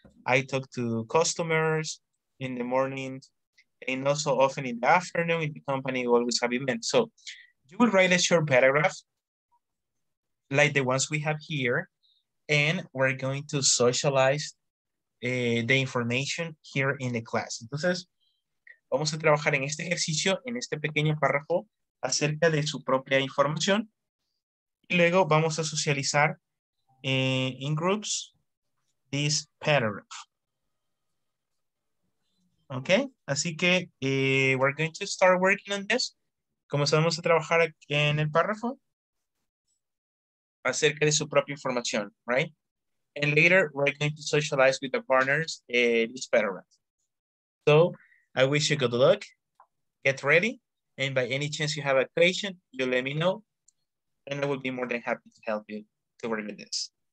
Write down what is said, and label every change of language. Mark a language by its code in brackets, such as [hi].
[en] I talk to customers in the morning and also often in the afternoon in the company, we always have events. So you will write a short paragraph like the ones we have here, and we're going to socialize the information here in the class. [es] Entonces, vamos a trabajar en este ejercicio, en este pequeño párrafo, acerca de su propia información. Y luego vamos a socializar [en] in groups this paragraph. Okay, [es] así que [en] we're going to start working on this. [es] Comenzamos a trabajar aquí en el párrafo acerca de su propia información, [en] right? And later we're going to socialize with the partners this paragraph. So I wish you good luck. Get ready. And by any chance you have a question, you let me know. And I will be more than happy to help you to work with this.